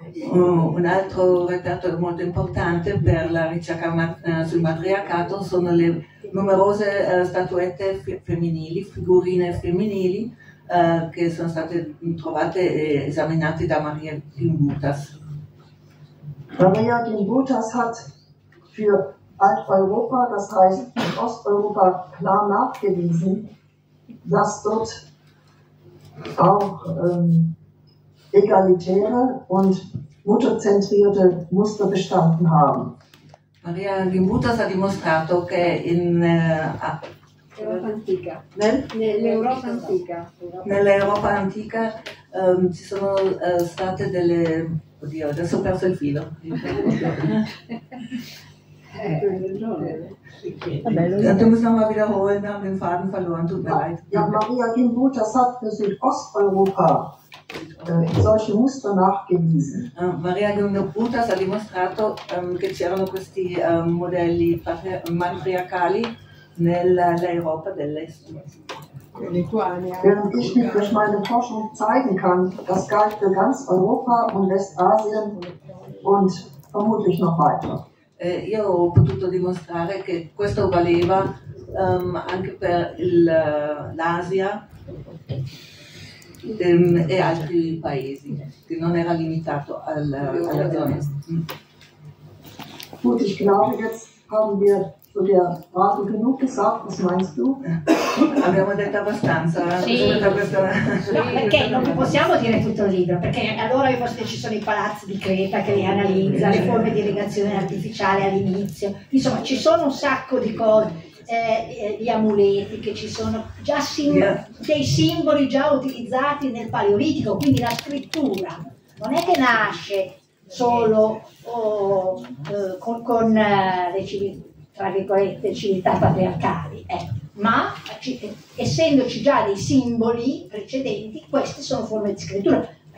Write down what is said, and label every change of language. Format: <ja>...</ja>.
<it>Un altro reperto molto importante per la ricerca sul matriarcato sono le numerose statuette femminili, figurine femminili che sono state trovate e esaminate da Maria Vimbutas.</it> <de>Maria Vimbutas hat für Alteuropa, das heißt in Osteuropa, klar nachgewiesen, dass dort auch egalitäre und mutterzentrierte Muster bestanden haben.</de> <it>Maria Vimbutas ha dimostrato che in Europa antica, nell'Europa antica, nell'Europa antica ci sono state delle, oddio, adesso ho perso il filo. Dobbiamo stiamo</it> <de>wiederholen, haben den Faden verloren, tut mir leid. Ja, Maria Vimbutas hat für Südosteuropa solche Muster nachgewiesen.</de> <it>Maria Vimbutas ha dimostrato che c'erano questi modelli matriarcali nell'Europa dell'Est.</it> <de>Während ich mich durch meine Forschung zeigen kann, das galt für ganz Europa und Westasien und vermutlich noch weiter.</de> <it>Io ho potuto dimostrare che questo valeva anche per l'Asia e altri paesi, che non era limitato alla zona est.</it> <de>Gut, ich glaube, jetzt haben wir von der Frage genug gesagt, was meinst du?</de> <it>Abbiamo detto abbastanza. Sì, perché non possiamo dire tutto il libro, perché allora ci sono i palazzi di Creta che li analizza, le forme di irrigazione artificiale all'inizio, insomma ci sono un sacco di cose. Gli amuleti che ci sono già dei simboli già utilizzati nel paleolitico, quindi la scrittura non è che nasce solo tra virgolette civiltà patriarcali, ma essendoci già dei simboli precedenti, queste sono forme di scrittura.</it>